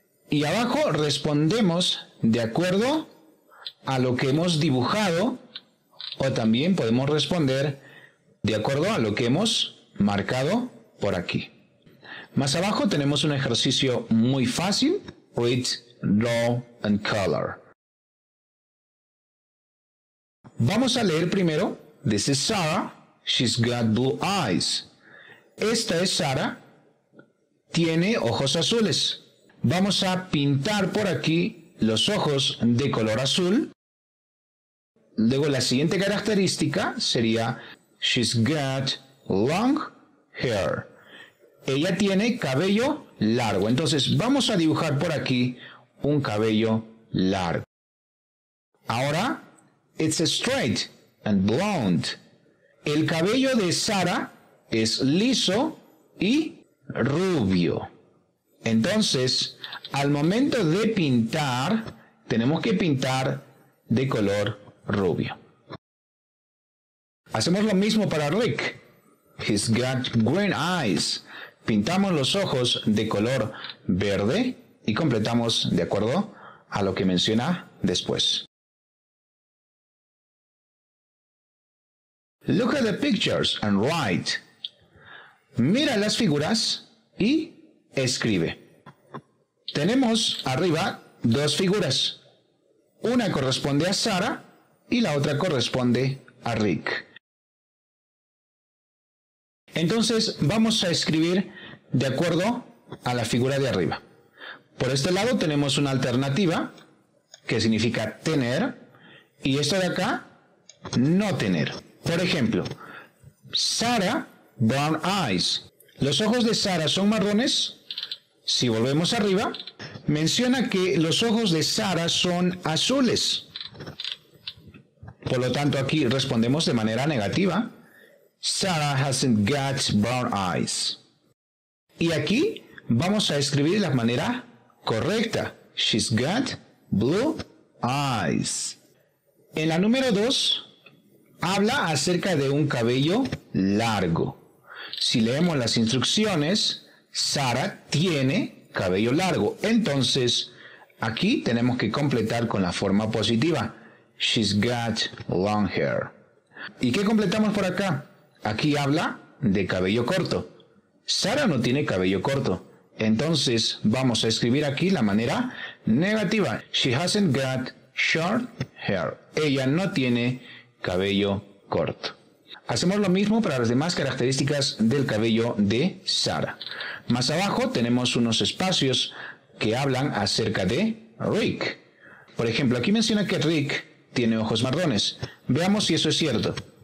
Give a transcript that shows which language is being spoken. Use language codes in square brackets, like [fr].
[es] Y abajo respondemos de acuerdo a lo que hemos dibujado o también podemos responder de acuerdo a lo que hemos marcado por aquí. Más abajo tenemos un ejercicio muy fácil, [en] Read, Draw and Color. [es] Vamos a leer primero, [en] This is Sarah, she's got blue eyes. [es] Esta es Sarah, tiene ojos azules. Vamos a pintar por aquí los ojos de color azul. Luego la siguiente característica sería, [en] She's got long hair. [es] Ella tiene cabello largo. Entonces vamos a dibujar por aquí un cabello largo. Ahora, [en] It's straight and blonde. [es] El cabello de Sarah es liso y rubio. Entonces, al momento de pintar, tenemos que pintar de color rubio. Hacemos lo mismo para Rick. [en] He's got green eyes. [es] Pintamos los ojos de color verde y completamos de acuerdo a lo que menciona después. [en] Look at the pictures and write. [es] Mira las figuras y escribe. Tenemos arriba dos figuras. Una corresponde a Sarah y la otra corresponde a Rick. Entonces vamos a escribir de acuerdo a la figura de arriba. Por este lado tenemos una alternativa que significa tener y esto de acá no tener. Por ejemplo, Sarah, [en] brown eyes. [es] ¿Los ojos de Sarah son marrones? Si volvemos arriba, menciona que los ojos de Sarah son azules. Por lo tanto, aquí respondemos de manera negativa. [en] Sarah hasn't got brown eyes. [es] Y aquí vamos a escribir de la manera correcta. [en] She's got blue eyes. [es] En la número 2, habla acerca de un cabello largo. Si leemos las instrucciones, Sarah tiene cabello largo. Entonces, aquí tenemos que completar con la forma positiva. [en] She's got long hair. [es] ¿Y qué completamos por acá? Aquí habla de cabello corto. Sarah no tiene cabello corto. Entonces, vamos a escribir aquí la manera negativa. [en] She hasn't got short hair. [es] Ella no tiene cabello corto. Hacemos lo mismo para las demás características del cabello de Sarah. Más abajo tenemos unos espacios que hablan acerca de Rick. Por ejemplo, aquí menciona que Rick tiene ojos marrones. Veamos si eso es cierto.